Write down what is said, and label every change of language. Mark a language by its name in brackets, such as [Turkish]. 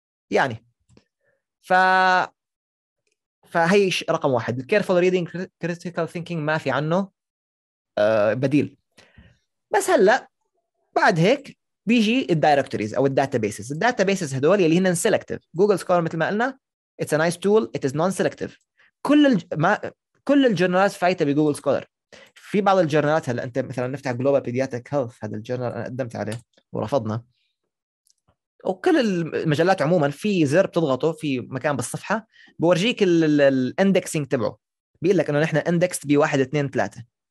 [Arabic] يعني فهي رقم واحد [English] careful reading critical thinking [Arabic] ما في عنه بديل. بس هلأ بعد هيك بيجي الدايركتوريز أو الداتابيسز. الداتابيسز هدول يلي هن selective. جوجل سكولر مثل ما قلنا [English] it's a nice tool, it is non-selective. [Arabic] كل الجورنالات فايتة بجوجل سكولر. في بعض الجورنالات، هلأ أنت مثلا نفتح Global Pediatric Health، هذا الجورنال أنا قدمت عليه ورفضنا، وكل المجلات عموما في زر بتضغطه في مكان بالصفحة بورجيك الاندكسينج تبعه، بيقول لك انه نحن اندكست بواحد اثنين ثلاثة.